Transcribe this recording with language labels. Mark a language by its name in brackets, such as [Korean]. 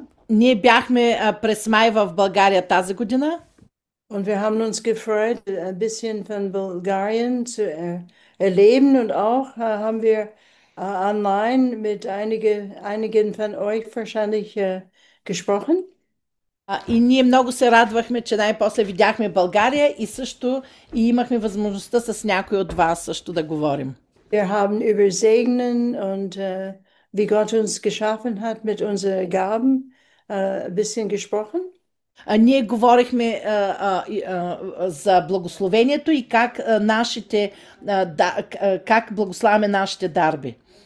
[Bulgarian] Ние бяхме през май в България тази година. [German] Und wir haben uns gefreut, ein bisschen von Bulgarien zu erleben und auch haben wir online mit einigen von euch wahrscheinlich gesprochen. [Bulgarian] И ние много се радвахме, че най-после видяхме България и също и имахме възможността с някой от вас също да говорим. [German] Wir haben über Segnen und wie Gott uns geschaffen hat mit unseren Gaben ein bisschen gesprochen. [Bulgarian] Ние говорихме за благословението и как нашите как благославяме нашите дарби.